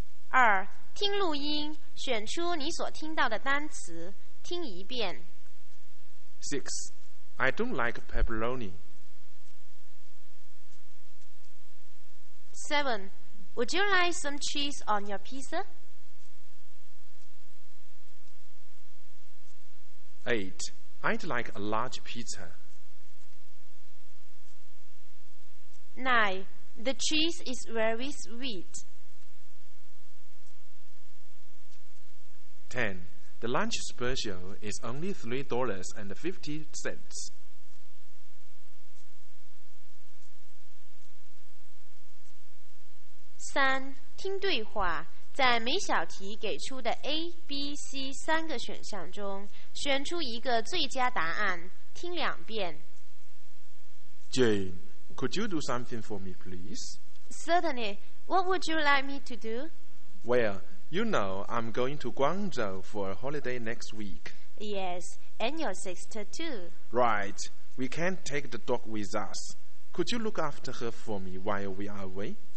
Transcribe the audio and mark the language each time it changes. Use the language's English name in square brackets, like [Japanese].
[Chinese] 二，听录音，选出你所听到的单词，听一遍。 [English] Six, I don't like pepperoni. Seven, would you like some cheese on your pizza? Eight, I'd like a large pizza. Nine, the cheese is very sweet. 10. The lunch special is only $3.50. 3. [Chinese] 听对话，在每小题给出的 A、B、C 三个选项中，选出一个最佳答案，听两遍。 [English] Jane, could you do something for me, please? Certainly. What would you like me to do? Well,You know, I'm going to Guangzhou for a holiday next week. Yes, and your sister too. Right, we can't take the dog with us. Could you look after her for me while we are away?